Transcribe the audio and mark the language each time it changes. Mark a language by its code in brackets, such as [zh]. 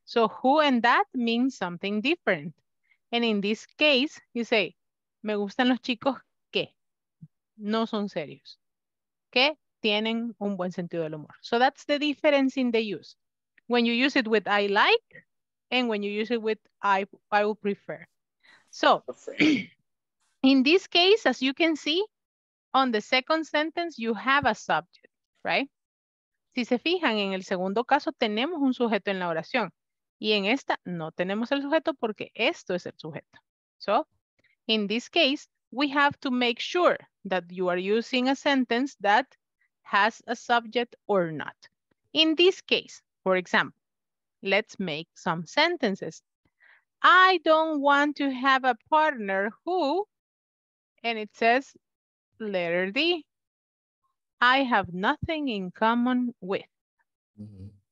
[en] So who and that means something different. And in this case, you say, [es] me gustan los chicos que no son serios, que tienen un buen sentido del humor. [en] So that's the difference in the use. When you use it with I like, and when you use it with I would prefer. So in this case, as you can see, on the second sentence, you have a subject, right? [es] Si se fijan, en el segundo caso tenemos un sujeto en la oración. Y en esta no tenemos el sujeto porque esto es el sujeto. [en] So, in this case, we have to make sure that you are using a sentence that has a subject or not. In this case, for example, let's make some sentences. I don't want to have a partner who, and it says letter D, I have nothing in common with. Mm-hmm.